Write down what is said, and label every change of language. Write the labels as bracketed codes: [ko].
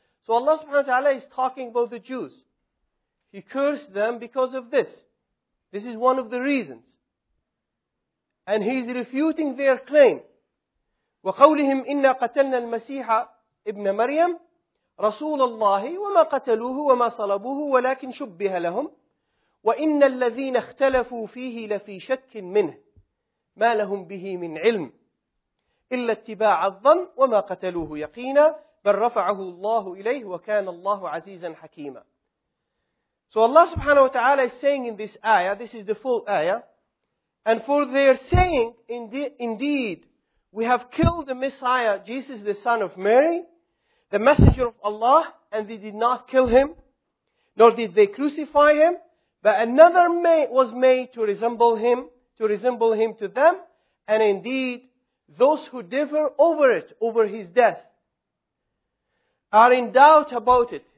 [en] So Allah subhanahu wa ta'ala is talking about the Jews. He cursed them because of this. This is one of the reasons. And he is refuting their claim. [ar] وَقَوْلِهِمْ إِنَّا قَتَلْنَا الْمَسِيحَ ابْنَ مَرْيَمْ رسول الله وما قتلوه وما صلبوه ولكن شبه لهم وإن الذين اختلفوا فيه لفي شك منه ما لهم به من علم إلا اتباع الظن وما قتلوه يقينا بل رفعه الله إليه وكان الله عزيزا حكيما. [en] So Allah subhanahu wa ta'ala is saying in this ayah, this is the full ayah, and for their saying, indeed, we have killed the Messiah, Jesus the son of Mary, the messenger of Allah, and they did not kill him, nor did they crucify him, but another was made to resemble him, to resemble him to them, and indeed, those who differ over it, over his death, are in doubt about it.